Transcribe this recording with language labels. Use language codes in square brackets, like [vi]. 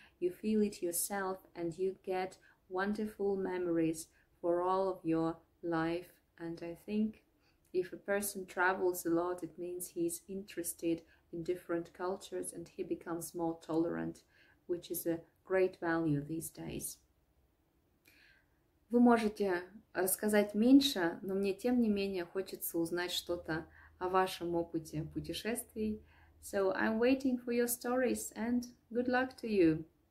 [en] You feel it yourself, and you get wonderful memories for all of your life. And I think If a person travels a lot, it means he's interested in different cultures and he becomes more tolerant, which is a great value these days. [ru] Вы можете рассказать меньше, но мне тем не менее хочется узнать что-то о вашем опыте путешествий. [en] So I'm waiting for your stories and good luck to you.